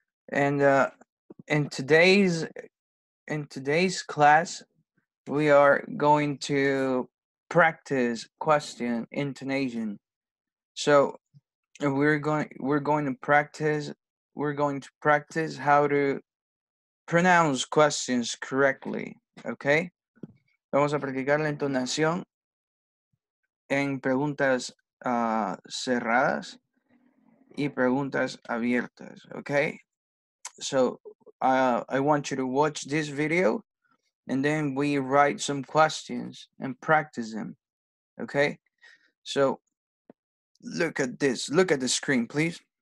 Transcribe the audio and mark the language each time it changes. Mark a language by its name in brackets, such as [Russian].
[English] And in today's class, we are going to practice question intonation. So, we're going to practice how to pronounce questions correctly, okay? [Spanish] Vamos a practicar la entonación en preguntas cerradas y preguntas abiertas, okay? [English] So I want you to watch this video and then we write some questions and practice them, okay? So look at this, look at the screen, please.